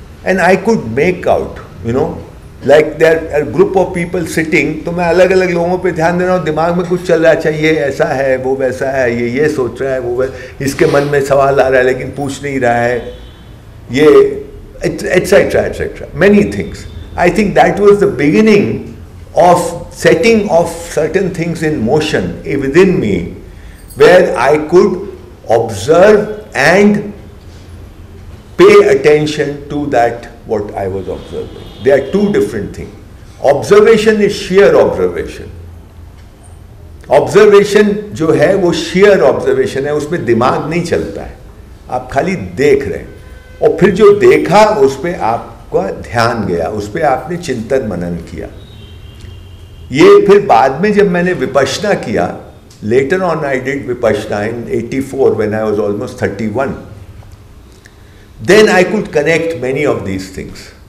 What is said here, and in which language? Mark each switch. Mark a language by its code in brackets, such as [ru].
[en] and I could make out, you know, like there are group of people sitting, [hi] तो मैं अलग अलग लोगों पे ध्यान दे रहा हूँ, दिमाग में कुछ चल रहा है, अच्छा ये ऐसा है, वो वैसा है, ये सोच रहा है, वो इसके मन में सवाल आ रहा है लेकिन पूछ नहीं रहा है, ये etcetera etcetera, [en] Many things. I think that was the beginning of setting of certain things in motion within me, where I could observe and pay attention to that what I was observing. They are two different things. Observation is sheer observation. [hi] Observation जो है वो share observation है, उसमें दिमाग नहीं चलता है, आप खाली देख रहे हैं और फिर जो देखा उस पर आपका ध्यान गया, उस पर आपने चिंतन मनन किया। ये फिर बाद में जब मैंने विपश्यना किया, [en] Later on I did Vipassana in 84 when I was almost 31, then I could connect many of these things.